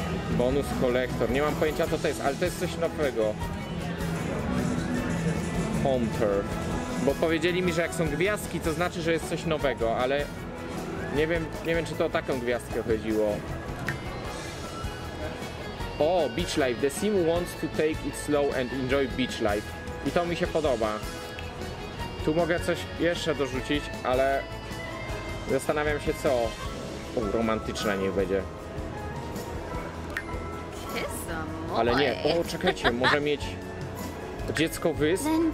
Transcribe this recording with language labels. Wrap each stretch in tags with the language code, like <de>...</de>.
<pl>Bonus kolektor. Nie mam pojęcia, co to jest, ale to jest coś nowego. Hunter. Bo powiedzieli mi, że jak są gwiazdki, to znaczy, że jest coś nowego, ale... Nie wiem, czy to o taką gwiazdkę chodziło. O, Beach Life.</pl> <en>The Sim wants to take it slow and enjoy beach life.</en> <pl>I to mi się podoba. Tu mogę coś jeszcze dorzucić, ale zastanawiam się co. O, romantyczna niech będzie. Ale nie, o, czekajcie, może mieć dziecko wysk.</pl>